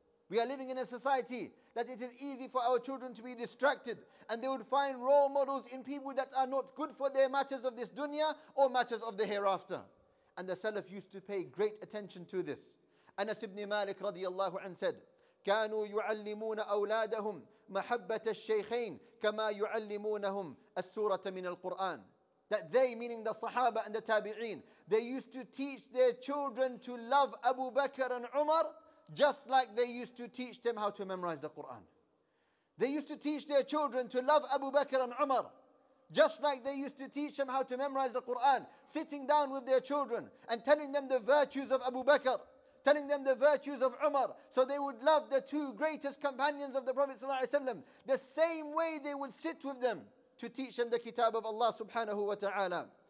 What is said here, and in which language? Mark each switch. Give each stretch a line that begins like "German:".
English: We are living in a society that it is easy for our children to be distracted and they would find role models in people that are not good for their matters of this dunya or matters of the hereafter. And the Salaf used to pay great attention to this.
Arabic: Anas ibn Malik radiallahu anhu said, كانوا يعلمون أولادهم محبة الشيخين كما يعلمونهم السورة من القرآن.
English: That they, meaning the Sahaba and the Tabi'een, they used to teach their children to love Abu Bakr and Umar just like they used to teach them how to memorize the Qur'an. They used to teach their children to love Abu Bakr and Umar just like they used to teach them how to memorize the Qur'an, sitting down with their children and telling them the virtues of Abu Bakr, telling them the virtues of Umar, so they would love the two greatest companions of the Prophet ﷺ, the same way they would sit with them to teach them the kitab of Allah subhanahu wa ta'ala.